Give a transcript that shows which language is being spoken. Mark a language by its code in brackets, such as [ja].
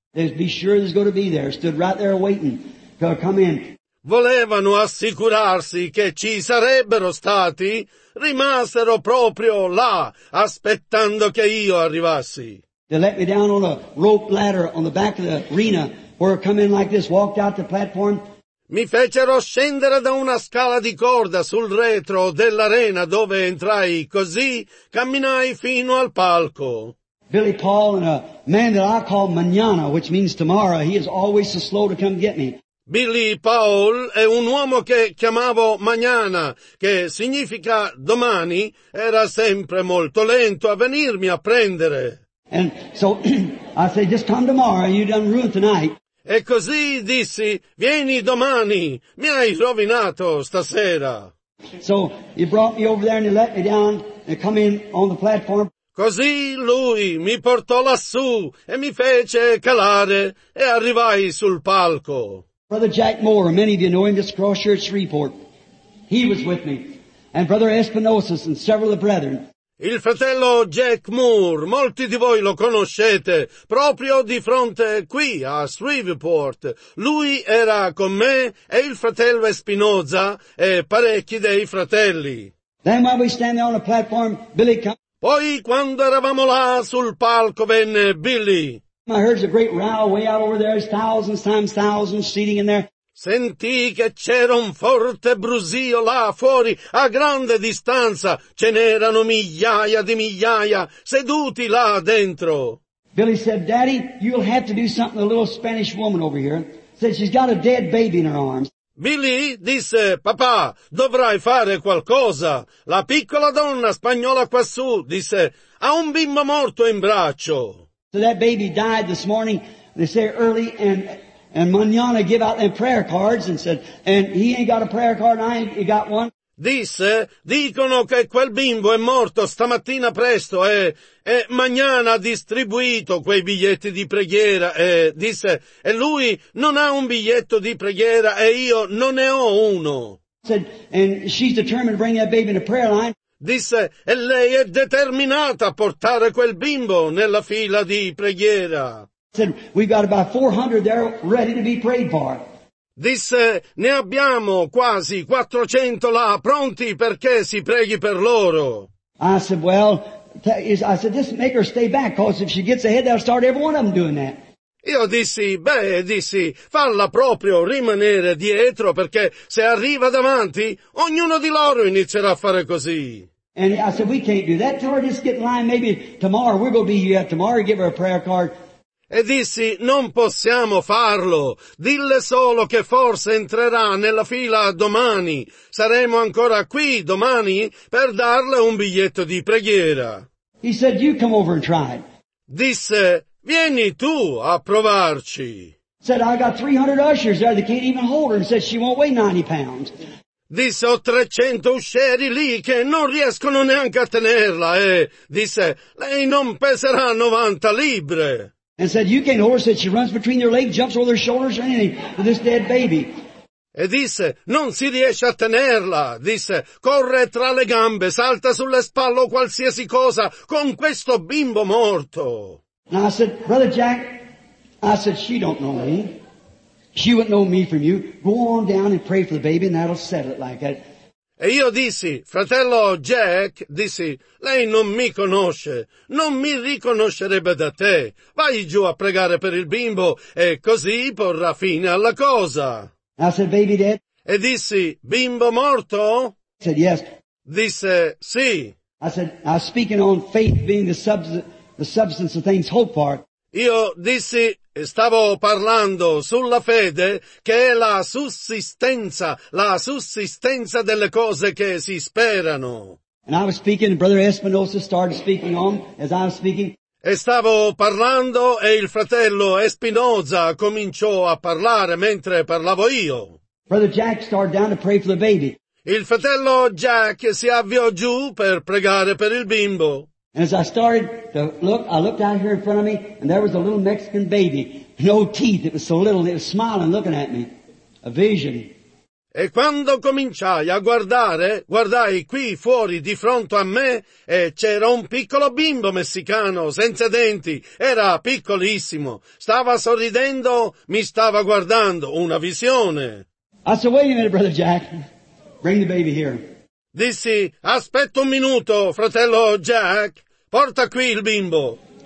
[en] There's be sure there's going to be there, stood right there waiting to come in. [it] Volevano assicurarsi che ci sarebbero stati, rimasero proprio là, aspettando che io arrivassi. [en] They let me down on a rope ladder on the back of the arena, where I come in like this, walked out the platform. [it] Mi fecero scendere da una scala di corda sul retro dell'arena dove entrai, così camminai fino al palco. [en] Billy Paul and a man that I call Manana, which means tomorrow, he is always so slow to come get me. [it] Billy Paul è un uomo che chiamavo Mañana, che significa domani, era sempre molto lento a venirmi a prendere. [en] And so I say, just come tomorrow, you done ruined tonight. [it] E così dissi, vieni domani, mi hai rovinato stasera. [en] So he brought me over there and he let me down and come in on the platform. [it] Così lui mi portò lassù e mi fece calare e arrivai sul palco. [en] Brother Jack Moore, many of you know him, just Cross Church Report. He was with me. And Brother Espinosa and several of the brethren. [it] Il fratello Jack Moore, molti di voi lo conoscete, proprio di fronte qui a Shreveport. Lui era con me e il fratello Espinosa e parecchi dei fratelli. [en] Then while we stand there on the platform, Billy comes. [it] Poi quando eravamo là sul palco venne Billy. [en] I heard a great row way out over there. There's thousands times thousands seating in there. [it] Sentì che c'era un forte brusio là fuori, a grande distanza. Ce n'erano migliaia di migliaia seduti là dentro. [en] Billy said, Daddy, you'll have to do something to the little Spanish woman over here. Said she's got a dead baby in her arms. [it] Billy disse, papà, dovrai fare qualcosa. La piccola donna spagnola quassù, disse, ha un bimbo morto in braccio. [en] So that baby died this morning, they say early, and Mañana give out them prayer cards and said, and he ain't got a prayer card, and I ain't got one. [it] Disse, dicono che quel bimbo è morto stamattina presto, e Mañana ha distribuito quei biglietti di preghiera, e disse, e lui non ha un biglietto di preghiera, e io non ne ho uno. [en] Said, and she's determined to bring that baby in the prayer line. [it] Disse, e lei è determinata a portare quel bimbo nella fila di preghiera. [en] Said, we've got about 400 there ready to be prayed for. [it] Disse, ne abbiamo quasi 400 là pronti perché si preghi per loro. [en] I said, well, I said, just make her stay back, cause if she gets ahead, they'll start every one of them doing that. [it] Io dissi, falla proprio rimanere dietro, perché se arriva davanti, ognuno di loro inizierà a fare così. [en] And I said, we can't do that. Tell her just get in line. Maybe tomorrow we're going to be here. Tomorrow give her a prayer card. [it] E dissi, non possiamo farlo. Dille solo che forse entrerà nella fila domani. Saremo ancora qui domani per darle un biglietto di preghiera. [en] He said, you come over and try it. [it] Disse, vieni tu a provarci. [en] Said, I got 300 ushers there that can't even hold her. And said, she won't weigh 90 pounds. [it] Disse, ho 300 uscieri lì che non riescono neanche a tenerla, e disse, lei non peserà 90 libbre. [en] And said, you can't hold her, said, she runs between their legs, jumps over their shoulders or anything with this dead baby. [it] E disse, non si riesce a tenerla, disse, corre tra le gambe, salta sulle spalle o qualsiasi cosa con questo bimbo morto. [en] And I said, Brother Jack, I said, she don't know me. She wouldn't know me from you. Go on down and pray for the baby and that'll settle it like that. [it] E io dissi, fratello Jack, dissi, lei non mi conosce, non mi riconoscerebbe da te. Vai giù a pregare per il bimbo e così porrà fine alla cosa. [en] I said, baby dead? [it] E dissi, bimbo morto? [en] I said, yes. [it] Disse, sì. [en] I said, I was speaking on faith being the substance of things hope for. [it] Io dissi, e stavo parlando sulla fede che è la sussistenza delle cose che si sperano. [en] And I was speaking, and Brother Espinosa started speaking on as I was speaking. [it] E stavo parlando e il fratello Espinosa cominciò a parlare mentre parlavo io. [en] Brother Jack started down to pray for the baby. [it] Il fratello Jack si avviò giù per pregare per il bimbo. [en] And as I started to look, I looked out here in front of me, and there was a little Mexican baby, no teeth, it was so little, it was smiling, looking at me. A vision. [it] E quando cominciai a guardare, guardai qui fuori, di fronte a me, e c'era un piccolo bimbo messicano, senza denti, era piccolissimo. Stava sorridendo, mi stava guardando, una visione. [en] I said, wait a minute, Brother Jack, bring the baby here. [it] Dissi, aspetta un minuto, fratello Jack, porta qui il bimbo.